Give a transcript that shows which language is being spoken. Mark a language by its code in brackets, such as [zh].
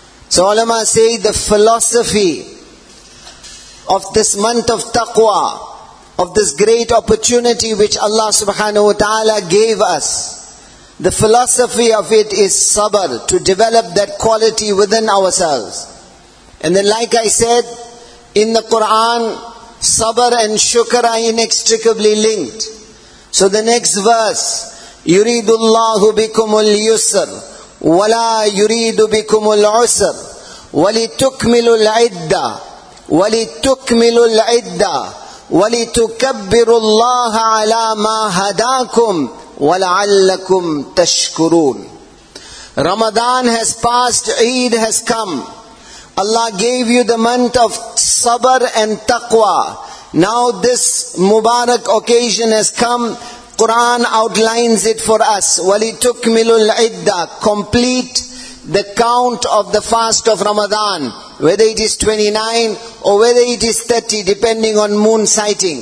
[en] So ulama say the philosophy of this month of taqwa, of this great opportunity which Allah subhanahu wa ta'ala gave us, the philosophy of it is sabr, to develop that quality within ourselves. And then like I said, in the Quran, sabr and shukr are inextricably linked. [ar] So the next verse, يُرِيدُ اللَّهُ بِكُمُ الْيُسْرَ وَلَا يُرِيدُ بِكُمُ الْعُسْرَ وَلِتُكْمِلُوا الْعِدَّةَ وَلِتُكْمِلُوا الْعِدَّةَ وَلِتُكَبِّرُوا اللَّهَ عَلَى مَا هَدَاكُمْ وَلَعَلَّكُمْ تَشْكُرُونَ. [en] Ramadan has passed, Eid has come. Allah gave you the month of sabr and taqwa. Now this Mubarak occasion has come. Quran outlines it for us. [ar] وَلِتُكْمِلُوا الْعِدَّةِ, [en] complete the count of the fast of Ramadan, whether it is 29 or whether it is 30, depending on moon sighting.